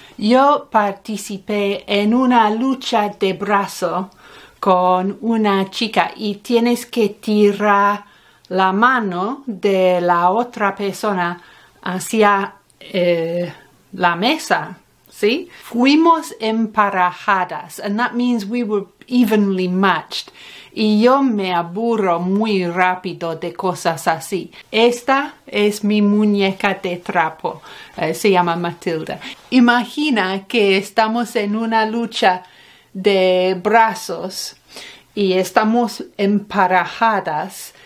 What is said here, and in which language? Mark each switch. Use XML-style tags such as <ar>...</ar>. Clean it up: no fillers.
<es>Yo participé en una lucha de brazo con una chica y tienes que tirar la mano de la otra persona hacia la mesa, ¿sí? Fuimos emparejadas,</es> <en>and that means we were evenly matched.</en> <es>Y yo me aburro muy rápido de cosas así. Esta es mi muñeca de trapo. Se llama Matilda. Imagina que estamos en una lucha de brazos y estamos emparejadas.</es>